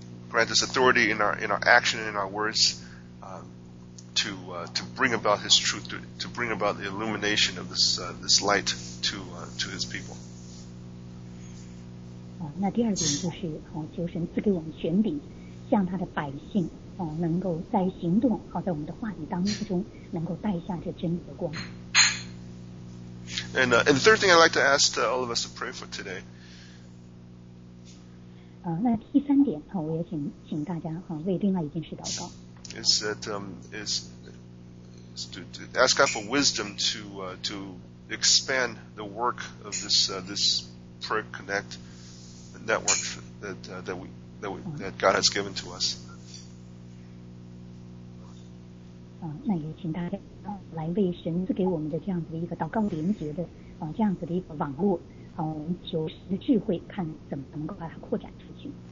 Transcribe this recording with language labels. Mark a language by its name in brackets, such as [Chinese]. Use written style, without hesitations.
[English] Grant us authority in our action and in our words to bring about His truth, to bring about the illumination of this light to His people. [Chinese] 那第二点就是求神赐给我们权柄，向他的百姓能够在行动在我们的话语当中能够带下这真理的光。 [English] And the third thing I'd like to ask all of us to pray for today. [Chinese] 那第三点我也请大家为另外一件事祷告。 [English] Is that is to ask God for wisdom to expand the work of this prayer connect network that God has given to us. [Chinese] 那也请大家来为神赐给我们的这样子的一个祷告连结的这样子的一个网络求神的智慧，看怎么能够把它扩展出去。